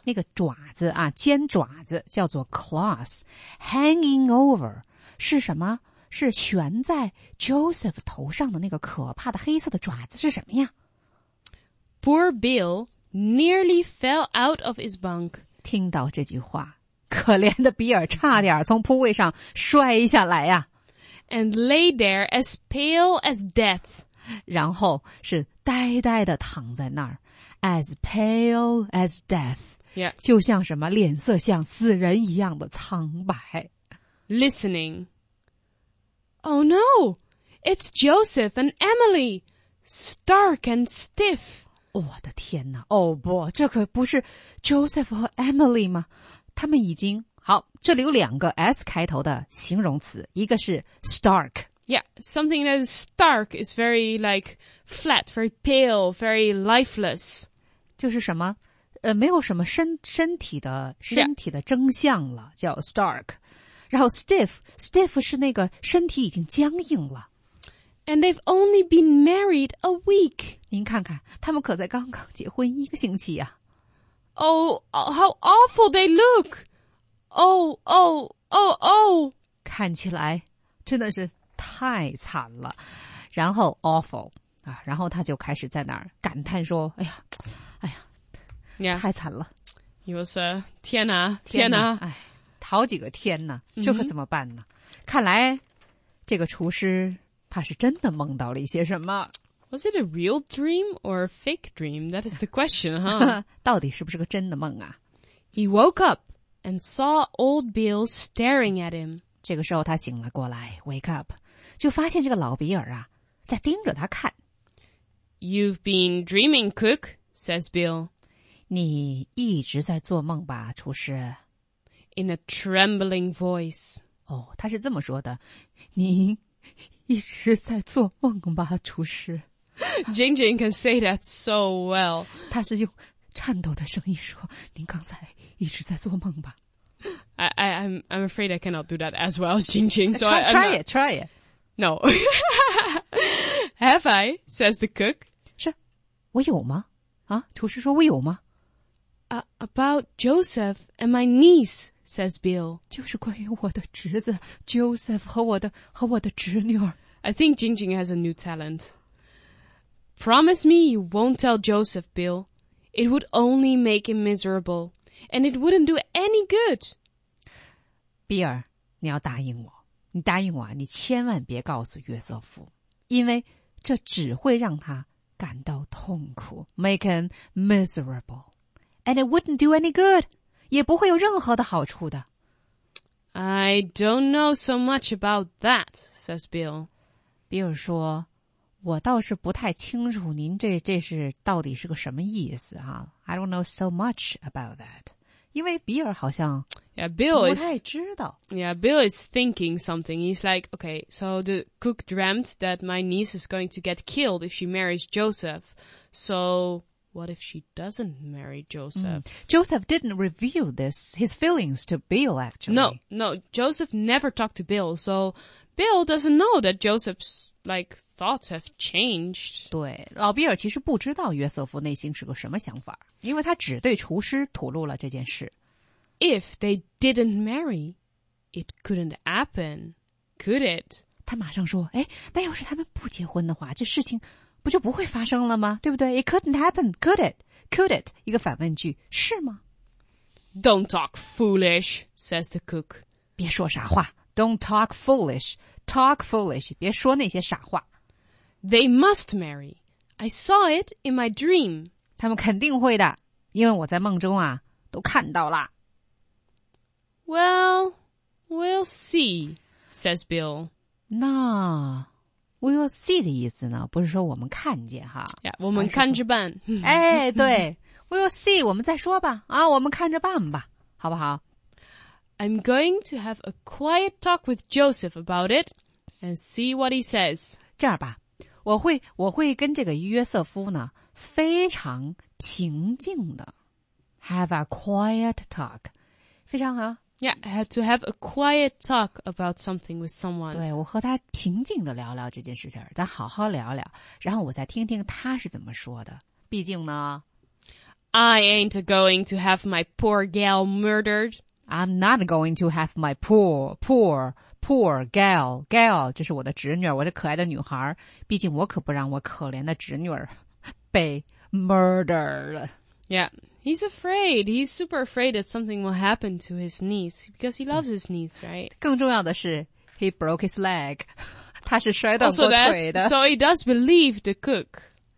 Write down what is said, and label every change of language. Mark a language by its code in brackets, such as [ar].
[zh] 那个爪子啊，尖爪子叫做 claws. [en] Hanging over [zh] 是什么？是悬在 Joseph 头上的那个可怕的黑色的爪子是什么呀？ [en] Poor Bill nearly fell out of his bunk. [zh] 听到这句话。可怜的比尔差点从铺位上摔下来呀、啊、 [en] And lay there as pale as death. [zh] 然后是呆呆地躺在那儿 [en] As pale as death.、 Yeah. [zh] 就像什么脸色像死人一样的苍白。 [en] Listening. Oh no! It's Joseph and Emily! Stark and stiff! [zh] 我的天哪 [en] Oh boy, [zh] 这可不是 Joseph 和 Emily 吗他们已经好，这里有两个 S 开头的形容词，一个是 stark。 [en] Yeah, something that is stark is very like flat, very pale, very lifeless. [zh] 就是什么，没有什么身体的征象了， [en] yeah. [zh] 叫 stark。然后 stiff 是那个身体已经僵硬了。 [en] And they've only been married a week. [zh] 您看看，他们可才刚刚结婚一个星期呀、啊。 [en] Oh, how awful they look! Oh, oh, oh, oh! [zh] 看起来真的是太惨了。然后 awful 啊，然后他就开始在那儿感叹说：“哎呀，哎呀， [en] yeah. [zh] 太惨了。 [en] ”He was a [zh] 天哪，天哪，哎，好几个天哪，这可怎么办呢？ Mm-hmm. 看来这个厨师怕是真的梦到了一些什么。 [en] Was it a real dream or a fake dream? That is the question, huh? [zh] 到底是不是个真的梦啊? [en] He woke up and saw old Bill staring at him. [zh] 这个时候他醒了过来, wake up, 就发现这个老比尔啊,在盯着他看。 [en] You've been dreaming, cook, says Bill. [zh] 你一直在做梦吧,厨师。 [en] In a trembling voice. [zh] 哦,他是这么说的,您一直在做梦吧,厨师。 [en] Jing Jing can say that so well. 他是用颤抖的声音说，您刚才一直在做梦吧。 I'm afraid I cannot do that as well as Jing Jing. So try it. No. Have I? Says the cook. [zh] 是，我有吗？啊，厨师说我有吗？ [en] About Joseph and my niece, says Bill. [zh] 就是关于我的侄子 Joseph 和我的侄女儿。 [en] I think Jing Jing has a new talent. Promise me you won't tell Joseph, Bill. It would only make him miserable, and it wouldn't do any good. [zh] 比尔，你要答应我，你答应我啊，你千万别告诉约瑟夫，因为这只会让他感到痛苦 ， [en] make him miserable, and it wouldn't do any good. [zh] 也不会有任何的好处的。 [en] I don't know so much about that, says Bill. [zh] 比尔说。我倒是不太清楚您这是到底是个什么意思啊 [en] I don't know so much about that. [zh] 因为比尔好像不太知道。 [en] Bill is thinking something. He's like, okay, so the cook dreamt that my niece is going to get killed if she marries Joseph. So what if she doesn't marry Joseph?、 Mm. Joseph didn't reveal this, his feelings to Bill, actually. No, Joseph never talked to Bill. So Bill doesn't know that Joseph's... Like, thoughts have changed. [zh] 对，老比尔其实不知道约瑟夫内心是个什么想法，因为他只对厨师吐露了这件事。 [en] If they didn't marry, it couldn't happen, could it? [zh] 他马上说，哎，那要是他们不结婚的话，这事情不就不会发生了吗？对不对？ [en] It couldn't happen, could it? Could it? [zh] 一个反问句，是吗？ [en] Don't talk foolish, says the cook. [zh] 别说傻话。 [en] Don't talk foolish. Talk foolish. [zh] 别说那些傻话。 [en] They must marry. I saw it in my dream. [zh] 他们肯定会的，因为我在梦中啊，都看到了。 [en] Well, we'll see, says Bill. [zh] 那 [en] We will see [zh] 的意思呢，不是说我们看见哈。 [en] Yeah, [zh] 我们看着办。哎，对。 [en] We will see, [zh] 我们再说吧。啊，我们看着办吧。好不好？ [en] I'm going to have a quiet talk with Joseph about it and see what he says. [zh] 这样吧，我会跟这个约瑟夫呢，非常平静的 [en] have a quiet talk. [zh] 非常好。 [en] Yeah, I had to have a quiet talk about something with someone. [zh] 对，我和他平静地聊聊这件事情，咱好好聊聊，然后我再听听他是怎么说的。毕竟呢 [en] I ain't going to have my poor gal murdered. I'm not going to have my poor gal. [zh] Gal, 这是我的侄女，我的可爱的女孩。毕竟我可不让我可怜的侄女被 murdered 了。 [en] Yeah, he's afraid. He's super afraid that something will happen to his niece because he loves his niece, right? [zh] 更重要的是 [en] he broke his leg. [zh] 他是摔断过腿的。 [en] So he does believe the cook.